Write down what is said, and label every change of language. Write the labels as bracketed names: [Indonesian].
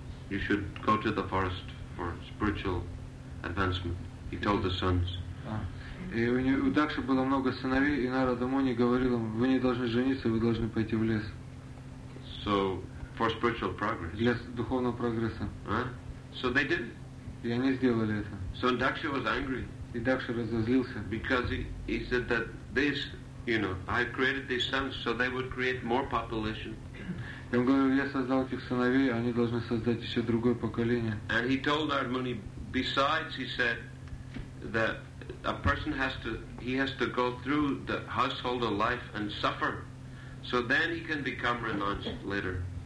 [English] You should go to the forest for spiritual advancement. He told the sons. [Russian] И у Дакши было много сыновей, и Нарада Муни говорил им: вы не должны жениться, вы должны пойти в лес. [English] So for spiritual progress. [Russian] Для духовного прогресса. [English] So they did. [Russian] И они сделали это. [English] So Daksha was angry. [Russian] И Дакши разозлился. [English] Because he said that this, you know, I created these sons so they would create more population. [Russian] И он говорил: я создал этих сыновей, они должны создать еще другое поколение. [English] And he told Narada Muni, besides, he said that a person has to go through the household of life and suffer, so then he can become renounced later.